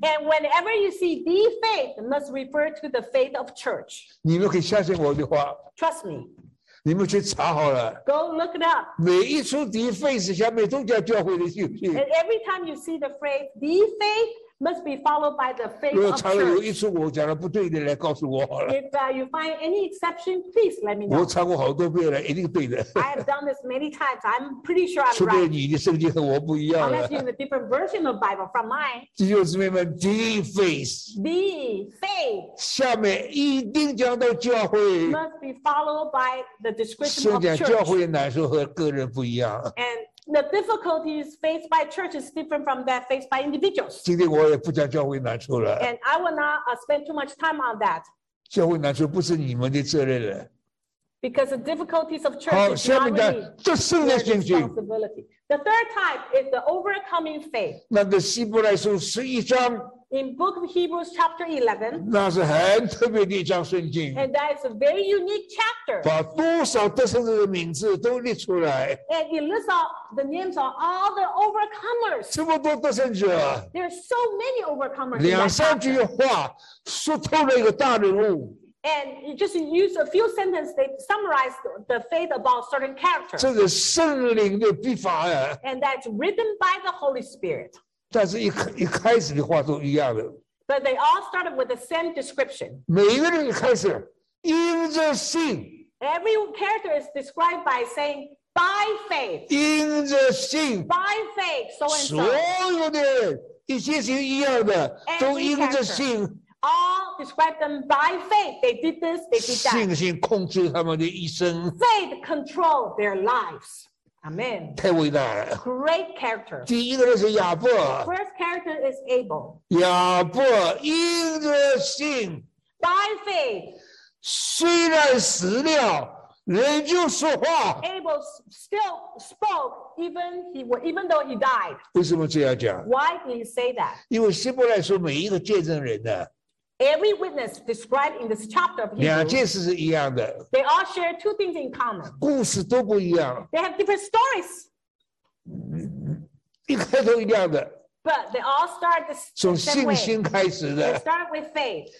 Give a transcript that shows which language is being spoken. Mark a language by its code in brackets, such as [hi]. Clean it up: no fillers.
[en] And whenever you see the faith, it must refer to the faith of church. [zh] 你们可以相信我的话。 [en] Trust me. [zh] 你们去查好了。 [en] Go look it up. [zh] 每一处 [en] the faith [zh] 下面都叫教会的信心。 [en] And every time you see the phrase the faith. Must be followed by the faith of church. [zh] 如果常常有一次我讲的不对的，来告诉我好了。 [en] If you find any exception, please let me know. [zh] 我查过好多遍了，一定对的。 [en] I have done this many times. I'm pretty sure I'm right. [zh] 除非你的圣经和我不一样了。 [en] Unless you have a different version of Bible from mine. [zh] 弟兄姊妹们 ， [en] the faith. The faith. [zh] 下面一定讲到教会。 [en] Must be followed by the description of church. [zh] 先讲教会的难处和个人不一样。 [en] And the difficulties faced by church is different from that faced by individuals. [zh] 今天我也不讲教会难处了。 [en] And I will not spend too much time on that. [zh] 教会难处不是你们的责任了。 [en] Because the difficulties of church is not really your responsibility. The third type is the overcoming faith. [zh] 那个希伯来书十一章。 [en] In Book of Hebrews chapter 11, [zh] 那是很特别的一章圣经 [en] and that is a very unique chapter. [zh] 把多少得胜者的名字都列出来 [en] and it lists out the names of all the overcomers. [zh] 这么多得胜者 [en] there are so many overcomers. [zh] 两三句话说透了一个大人物 [en] and you just use a few sentences they summarize the faith about certain characters. [zh] 这是圣灵的笔法啊 [en] and that's written by the Holy Spirit. [zh] 但是一开始的话都一样的。 [en] But they all started with the same description. [zh] 每一个人一开始，因着信。 [en] Every character is described by saying by faith. [zh] 因着信。 [en] By faith, so and so. [zh] 所有的一些是一样的，都因着信。 [en] All describe them by faith. They did this, they did that. [zh] 信心控制他们的一生。 [en] Faith controlled their lives. Amen. [zh] 太伟大了。 [en] Great character. [zh] 第一个人是亚伯。 [en] First character is Abel. [zh] 亚伯因着信。 [en] By faith. [zh] 虽然死了。人就说话。 [en] Abel still spoke even though he died. [zh] 为什么这样讲？ [en] Why do you say that? [zh] 因为希伯来说每一个见证人呢。 [en] Every witness described in this chapter of Hebrews. [zh] 两件事是一样的。 [en] They all share two things in common. [zh] 故事都不一样。 [en] They have different stories. [zh] 一开头一样的。 [en] But they all start the same way. [zh] 从信心开始的。 [en] They start with faith.